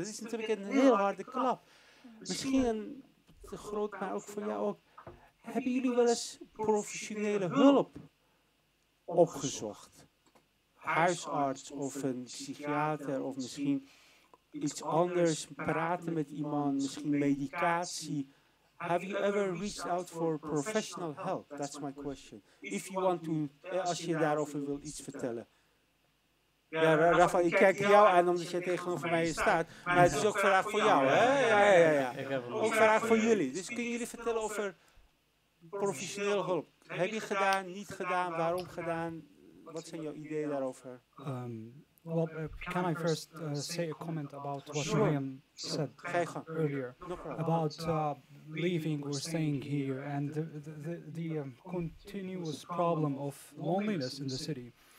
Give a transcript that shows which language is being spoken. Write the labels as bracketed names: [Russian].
[Dutch] Dat is natuurlijk een heel harde klap. Misschien een te groot, maar ook voor jou ook. Hebben jullie wel eens professionele hulp opgezocht? Huisarts of een psychiater of misschien iets anders. Praten met iemand, misschien medicatie. [English] Have you ever reached out for professional help? That's my question. If you want to, [Dutch] als je daarover wilt iets vertellen. Ja, Rafa, ik kijk jou aan omdat je tegenover mij staat. Maar het is ook vraag voor jou, hè? Ja, ja, ja, ja. Ook vraag voor jullie. Dus kunnen jullie vertellen over professioneel hulp? Heb je gedaan, niet gedaan, waarom gedaan? Wat zijn jouw ideeën daarover? [English] Well, can I first say a comment about what Miriam said earlier? No problem. About leaving or staying here and the continuous problem of loneliness in the city.